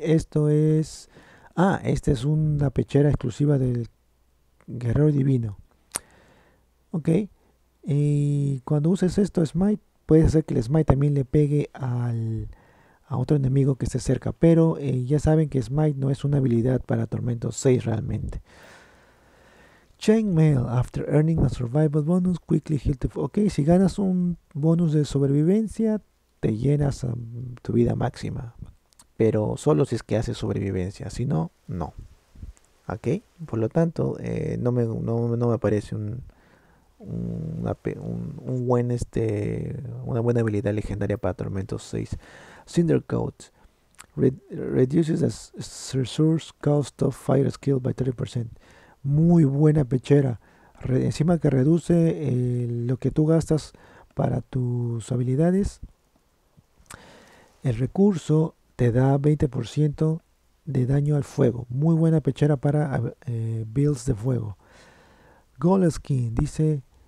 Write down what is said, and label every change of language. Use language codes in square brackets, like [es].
[es] Esto es. Ah, esta es una pechera exclusiva del Guerrero Divino. Ok. Y cuando uses esto, Smite, puedes hacer que el Smite también le pegue a otro enemigo que esté cerca. Pero ya saben que Smite no es una habilidad para Tormento 6 realmente. [en] Chainmail. After earning a survival bonus, quickly heal the. [es] Ok, si ganas un bonus de sobrevivencia, te llenas tu vida máxima. Pero solo si es que hace sobrevivencia, si no, no. ¿Ok? Por lo tanto, no me parece un buen una buena habilidad legendaria para Tormentos 6. [en] Cindercoat. Reduces the resource cost of fire skill by 30%. [es] Muy buena pechera. Encima que reduce lo que tú gastas para tus habilidades. El recurso te da 20% de daño al fuego. Muy buena pechera para builds de fuego. Goleskin dice